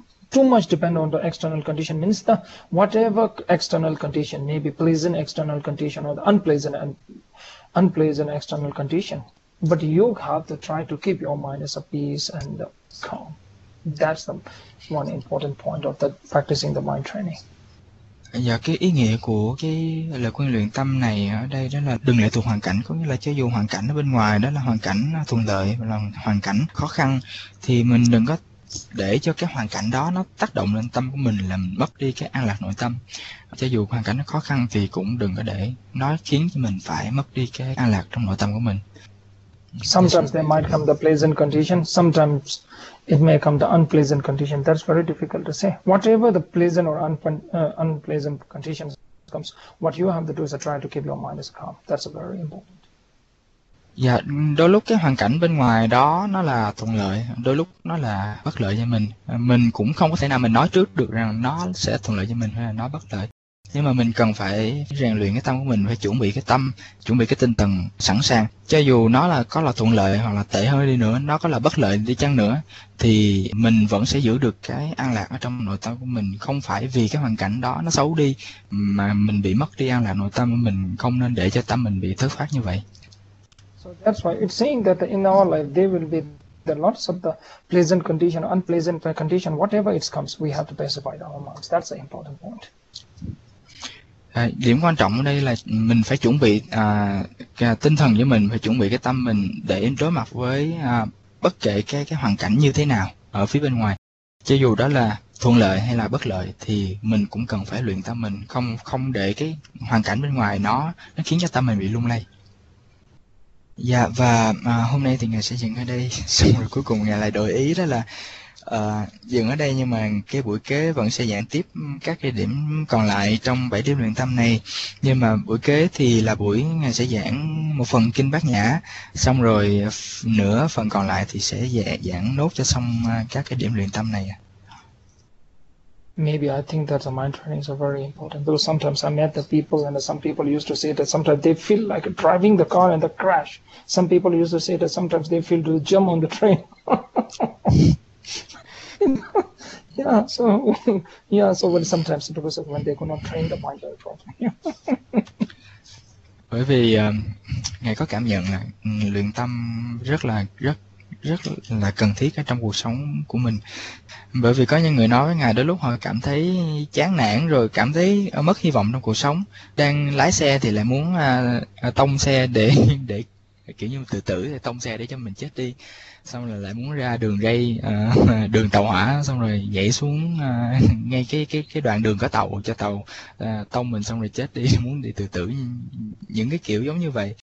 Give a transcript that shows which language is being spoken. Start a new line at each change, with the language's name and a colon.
English: Too much depend on the external condition means the whatever external condition, maybe pleasant external condition or the unpleasant external condition. But you have to try to keep your mind as a peace and calm. That's the one important point of the practicing the mind training.
Vietnamese: Và cái ý nghĩa của cái lời khuyên luyện tâm này ở đây đó là đừng lệ thuộc hoàn cảnh, có nghĩa là cho dù hoàn cảnh ở bên ngoài đó là hoàn cảnh thuận lợi hoặc là hoàn cảnh khó khăn, thì mình đừng có để cho cái hoàn cảnh đó nó tác động lên tâm của mình làm mất đi cái an lạc nội tâm. Cho dù hoàn cảnh nó khó khăn thì cũng đừng có để nó khiến cho mình phải mất đi cái an lạc trong nội tâm của mình.
English: Just Sometimes they might come the pleasant condition, sometimes it may come the unpleasant condition. That's very difficult to say. Whatever the pleasant or unpleasant conditions comes, what you have to do is to try to keep your mind as calm. That's very important.
Vietnamese: dạ, đôi lúc cái hoàn cảnh bên ngoài đó nó là thuận lợi, đôi lúc nó là bất lợi cho mình. Mình cũng không có thể nào mình nói trước được rằng nó sẽ thuận lợi cho mình hay là nó bất lợi. Nhưng mà mình cần phải rèn luyện cái tâm của mình, phải chuẩn bị cái tâm, chuẩn bị cái tinh thần sẵn sàng. Cho dù nó là có là thuận lợi hoặc là tệ hơn đi nữa, nó có là bất lợi đi chăng nữa, thì mình vẫn sẽ giữ được cái an lạc ở trong nội tâm của mình. Không phải vì cái hoàn cảnh đó nó xấu đi mà mình bị mất đi an lạc nội tâm. Mình không nên để cho tâm mình bị thất thoát như vậy.
English: So that's why it's saying that in our life there will be the lots of the pleasant condition, unpleasant condition, whatever it comes, we have to pacify our minds. That's the important point.
Vietnamese: À, điểm quan trọng ở đây là mình phải chuẩn bị tinh thần của mình, phải chuẩn bị cái tâm mình để đối mặt với bất kể cái hoàn cảnh như thế nào ở phía bên ngoài. Cho dù đó là thuận lợi hay là bất lợi thì mình cũng cần phải luyện tâm mình, không không để cái hoàn cảnh bên ngoài nó khiến cho tâm mình bị lung lay. Dạ, và hôm nay thì ngài sẽ dừng ở đây. Xong rồi cuối cùng ngài lại đổi ý đó là dừng ở đây, nhưng mà cái buổi kế vẫn sẽ giảng tiếp các cái điểm còn lại trong 7 điểm luyện tâm này. Nhưng mà buổi kế thì là buổi ngài sẽ giảng một phần kinh Bát Nhã, xong rồi nửa phần còn lại thì sẽ giảng nốt cho xong các cái điểm luyện tâm này.
English: Maybe I think that the mind trainings are very important. Though sometimes I met the people, and some people used to say that sometimes they feel like driving the car in the crash. Some people used to say that sometimes they feel to jump on the train. So when sometimes it was when they could not train the mind very properly.
Vietnamese: Bởi vì ngài có cảm nhận là luyện tâm rất là rất là cần thiết ở trong cuộc sống của mình. Bởi vì có những người nói với ngài đôi lúc họ cảm thấy chán nản, rồi cảm thấy mất hy vọng trong cuộc sống, đang lái xe thì lại muốn tông xe để kiểu như tự tử, thì tông xe để cho mình chết đi, xong rồi lại muốn ra đường ray đường tàu hỏa, xong rồi nhảy xuống ngay cái đoạn đường có tàu cho tàu tông mình, xong rồi chết đi, muốn đi tự tử, những cái kiểu giống như vậy.